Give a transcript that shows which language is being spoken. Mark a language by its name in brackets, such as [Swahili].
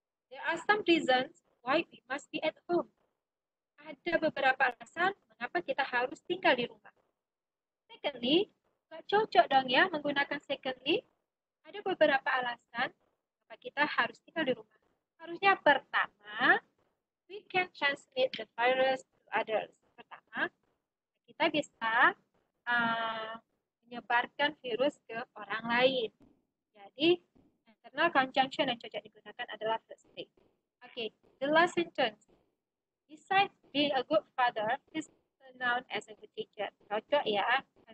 [English] There are some reasons why we must be at home. [Indonesian] Ada beberapa alasan mengapa kita harus tinggal di rumah. Secondly, tidak cocok dong ya menggunakan secondly. Ada beberapa alasan mengapa kita harus tinggal di rumah. Harusnya pertama, [English] we can transmit the virus to others. [Indonesian] Pertama, kita bisa menyebarkan virus ke orang lain. Jadi, internal conjunction yang cocok digunakan adalah [English] first thing. Okay, the last sentence. Besides being a good father, he's known as a good teacher. [Indonesian] Cocok ya.